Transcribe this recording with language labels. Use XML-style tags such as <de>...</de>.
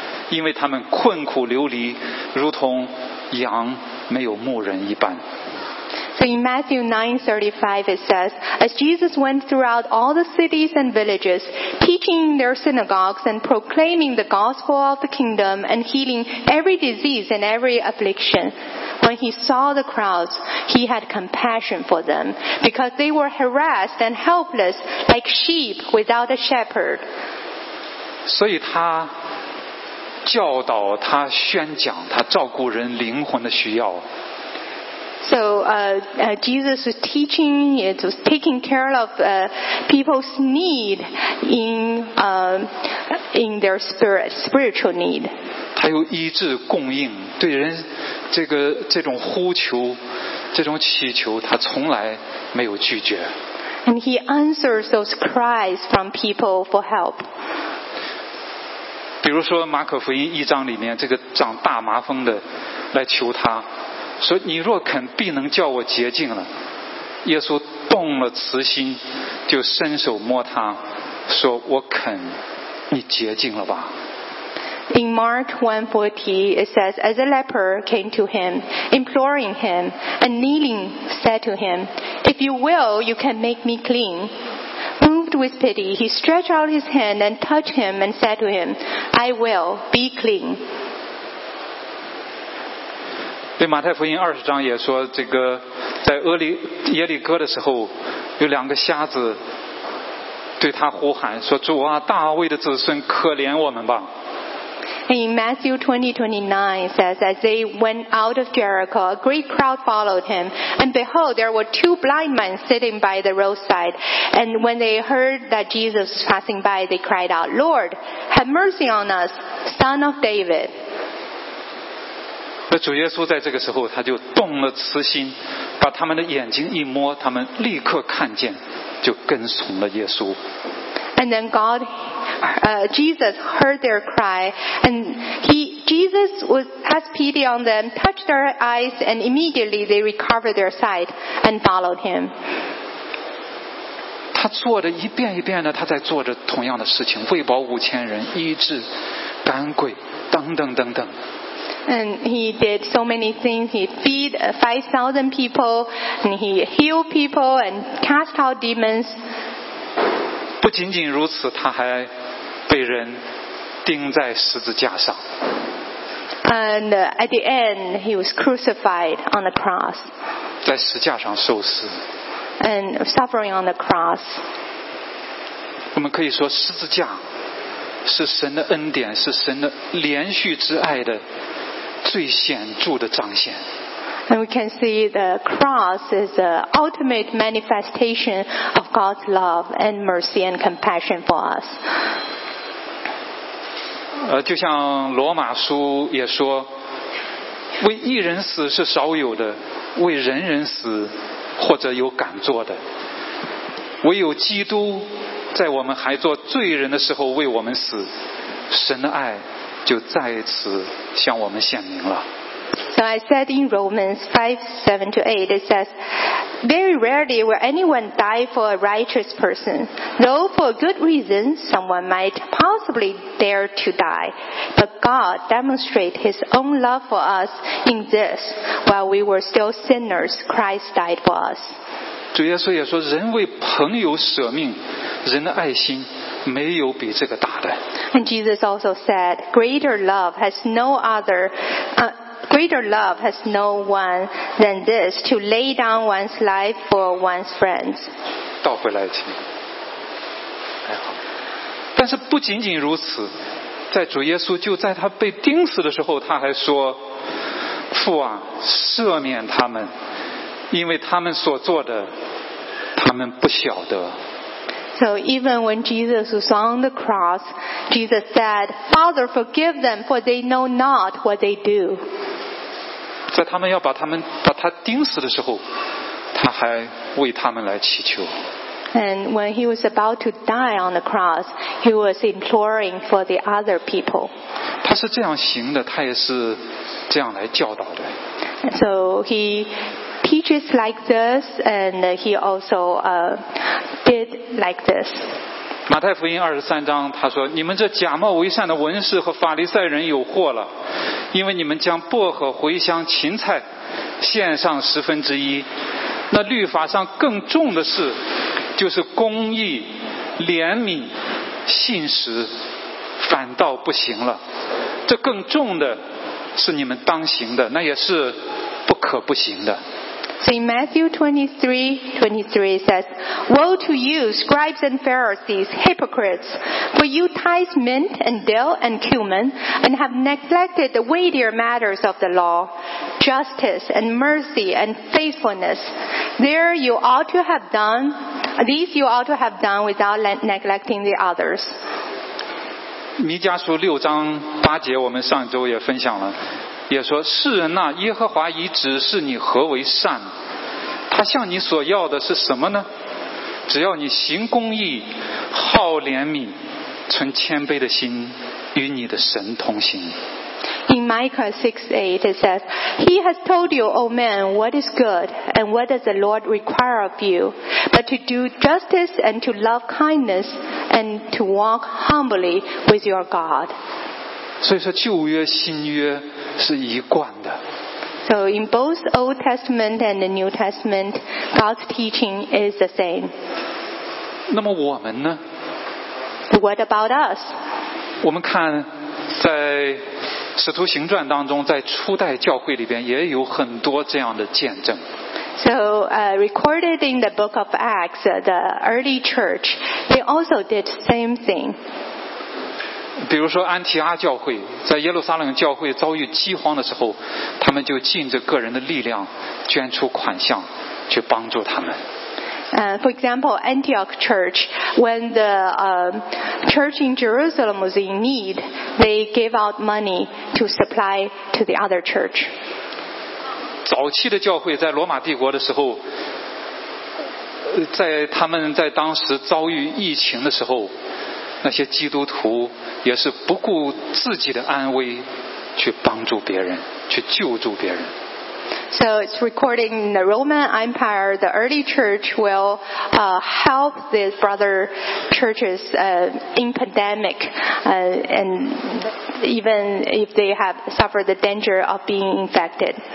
<zh>因为他们困苦流离，如同羊没有牧人一般。</zh> <en>So in Matthew 9:35 it says, As Jesus went throughout all the cities and villages, teaching in their synagogues and proclaiming the gospel of the kingdom and healing every disease and every affliction, when he saw the crowds, he had compassion for them, because they were harassed and helpless like sheep without a shepherd.</en> <zh>所以他教导他宣讲他照顾人灵魂的需要。</zh> <en>So Jesus was teaching, it was taking care of people's need in their spiritual need.</en> <zh>他有医治供应，对人这种呼求，这种祈求，他从来没有拒绝。</zh> <en>And he answers those cries from people for help.</en> <zh>比如说马可福音一章里面，这个长大麻风的来求他。所以你若肯必能叫我洁净了耶稣动了慈心就伸手摸他说我肯你洁净了吧</zh> <en>In Mark 1:40 it says As a leper came to him imploring him and kneeling said to him If you will you can make me clean Moved with pity he stretched out his hand and touched him and said to him I will be clean</en> <zh>对马太福音二十章也说这个在耶利哥的时候有两个瞎子对他呼喊说主啊大卫的子孙可怜我们吧</zh> <en>In Matthew 20:29 says As they went out of Jericho a great crowd followed him and behold there were two blind men sitting by the roadside and when they heard that Jesus was passing by they cried out Lord have mercy on us son of David</en> <zh>那主耶稣在这个时候他就动了慈心把他们的眼睛一摸他们立刻看见就跟从了耶稣</zh> <en>And then God Jesus heard their cry and Jesus has pity on them touched their eyes and immediately they recovered their sight and followed him</en> <zh>他做着一遍一遍的他在做着同样的事情喂饱五千人医治赶鬼等等等等</zh> <en>And he did so many things. He feed 5,000 people, and he healed people and cast out demons.</en> <zh>不仅仅如此，他还被人钉在十字架上。</zh> <en>And at the end, he was crucified on the cross.</en> <zh>在十字架上受死。</zh> <en>And suffering on the cross.</en> <zh>我们可以说，十字架是神的恩典，是神的连续之爱的。最显著的彰显</zh> <en>And we can see the cross is the ultimate manifestation of God's love and mercy and compassion for us.</en> <zh>就像罗马书也说，为一人死是少有的，为人人死或者有敢做的，唯有基督在我们还做罪人的时候为我们死，神的爱。就再次向我们显明了。</zh> <en>So I said in Romans 5:7-8, it says, Very rarely will anyone die for a righteous person, though for a good reason someone might possibly dare to die. But God demonstrates His own love for us in this, while we were still sinners, Christ died for us.</en> <zh>主耶稣也说，人为朋友舍命，人的爱心。没有比这个大的。</zh> <en>And Jesus also said, greater love has no one than this to lay down one's life for one's friends.</en> <zh>倒回来请。但是不仅仅如此，在主耶稣就在他被钉死的时候，他还说：“父啊，赦免他们，因为他们所做的，他们不晓得。”</zh> <en>So even when Jesus was on the cross, Jesus said, Father, forgive them, for they know not what they do.</en> <zh>在他们要把他钉死的时候，他还为他们来祈求。</zh> <en>And when he was about to die on the cross, he was imploring for the other people.</en> <zh>他是这样行的，他也是这样来教导的。</zh> <en>So he teaches like this, and he also did like this.</en> <zh>马太福音二十三章他说你们这假冒为善的文士和法利赛人有祸了，因为你们将薄荷茴香芹菜献上十分之一，那律法上更重的事就是公义怜悯信实反倒不行了，这更重的是你们当行的，那也是不可不行的。</zh> <en>So in Matthew 23:23 says, Woe to you, scribes and Pharisees, hypocrites! For you tithe mint and dill and cumin, and have neglected the weightier matters of the law, justice and mercy and faithfulness. There you ought to have done, these you ought to have done without neglecting the others.</en> <zh>弥迦书六章八节我们上周也分享了。也说世人啊，耶和华已指示你何为善，他向你所要的是什么呢？只要你行公义，好怜悯，存谦卑的心，与你的神同行。</zh> <en>In Micah 6:8 it says, He has told you, O man, what is good, and what does the Lord require of you, but to do justice and to love kindness and to walk humbly with your God.</en> <zh>所以说旧约新约是一贯的。</zh> <en>So in both Old Testament and the New Testament, God's teaching is the same.</en> <zh>那么我们呢？</zh> <en>What about us?</en> <zh>我们看在使徒行传当中，在初代教会里边也有很多这样的见证。</zh> <en>So recorded in the book of Acts, the early church, they also did the same thing.</en> <zh>比如说安提阿教会在耶路撒冷教会遭遇饥荒的时候，他们就尽着个人的力量捐出款项去帮助他们。</zh> <en>For example, Antioch Church, when the church in Jerusalem was in need, they gave out money to supply to the other church.</en> <zh>早期的教会在罗马帝国的时候，在他们在当时遭遇疫情的时候，那些基督徒也是不顾自己的安危去帮助别人，去救助别人。</zh> <en>So it's recording in the Roman Empire, the early church will help the brother churches in pandemic and even if they have suffered the danger of being infected.</en>